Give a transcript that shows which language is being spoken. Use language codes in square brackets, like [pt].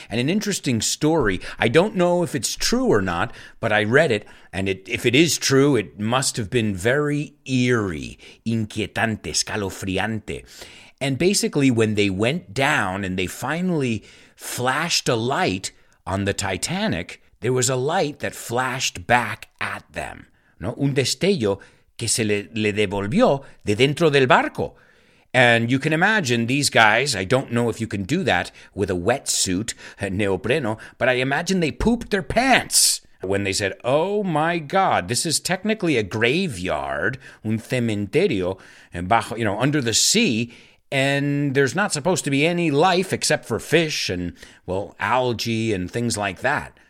[en] And an interesting story, I don't know if it's true or not, but I read it, and if it is true, it must have been very eerie, inquietante, escalofriante. And basically, when they went down and they finally flashed a light on the Titanic, there was a light that flashed back at them. [es] No, un destello que se le devolvió de dentro del barco. [en] And you can imagine these guys, I don't know if you can do that with a wetsuit, neopreno, but I imagine they pooped their pants when they said, oh my God, this is technically a graveyard, [es] un cementerio, [en] and bajo, you know, under the sea, and there's not supposed to be any life except for fish and, well, algae and things like that.